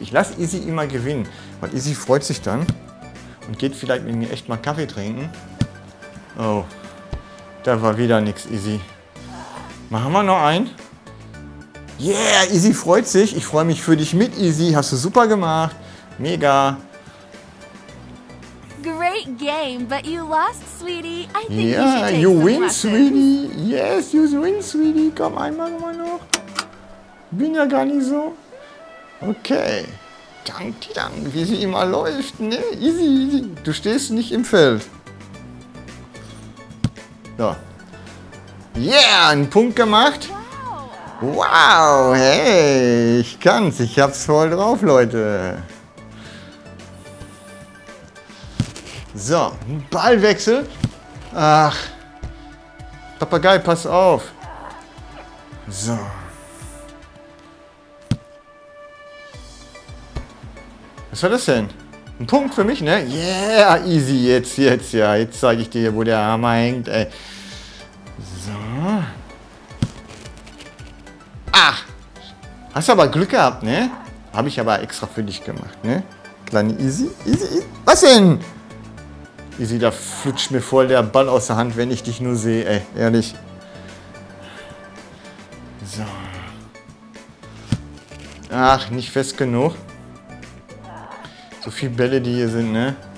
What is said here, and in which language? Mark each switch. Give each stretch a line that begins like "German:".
German: Ich lasse Izzy immer gewinnen. Weil Izzy freut sich dann und geht vielleicht mit mir echt mal Kaffee trinken. Oh, da war wieder nichts, Izzy. Machen wir noch einen. Yeah, Izzy freut sich. Ich freue mich für dich mit, Izzy. Hast du super gemacht. Mega.
English: Great game, but you lost, sweetie. I think yeah, you should take you some win, lessons. Sweetie. Yes, you win, sweetie.
German: Komm, einmal noch. Bin ja gar nicht so. Okay. Danke, danke, wie sie immer läuft. Ne? Izzy, Izzy. Du stehst nicht im Feld. So. Yeah, einen Punkt gemacht. Wow, hey, ich kann's, ich hab's voll drauf, Leute. So, Ballwechsel. Ach, Papagei, pass auf. So. Was war das denn? Ein Punkt für mich, ne? Yeah, easy, jetzt, ja. Jetzt zeige ich dir, wo der Hammer hängt, ey. So. Ach, hast aber Glück gehabt, ne? Habe ich aber extra für dich gemacht, ne? Kleine Izzy, Izzy, was denn? Izzy, da flutscht mir voll der Ball aus der Hand, wenn ich dich nur sehe, ey, ehrlich. So. Ach, nicht fest genug. So viele Bälle, die hier sind, ne?